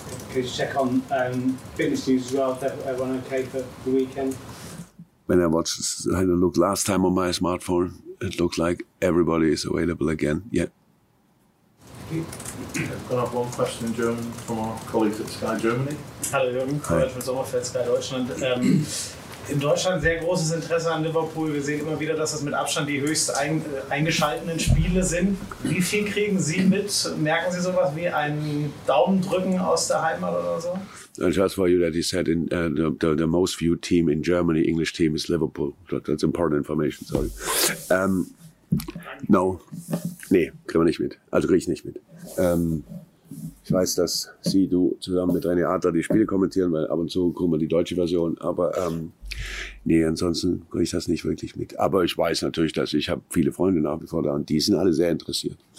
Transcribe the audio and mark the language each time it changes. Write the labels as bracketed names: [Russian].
[English] Could you check on fitness news as well, if everyone okay for the weekend? When I had a look last time on my smartphone, it looks like everybody is available again. Yeah. I've got up one question in German from our colleagues at Sky Germany. [German] Hallo Jürgen, Kollege von Sommerfeld, Sky Deutschland. In Deutschland sehr großes Interesse an Liverpool. Wir sehen immer wieder, dass das mit Abstand die höchst eingeschalteten Spiele sind. Wie viel kriegen Sie mit? Merken Sie sowas wie ein Daumendrücken aus der Heimat oder so? [English] And just for you, that he said in the most viewed team in Germany, English team, is Liverpool. That's important information, sorry. [German] No, nee, kriegen wir nicht mit. Also kriege ich nicht mit. Ich weiß, dass Sie, du, zusammen mit René Adler die Spiele kommentieren, weil ab und zu kommen wir die deutsche Version. Aber ansonsten kriege ich das nicht wirklich mit. Aber ich weiß natürlich, dass ich habe viele Freunde nach wie vor da und die sind alle sehr interessiert.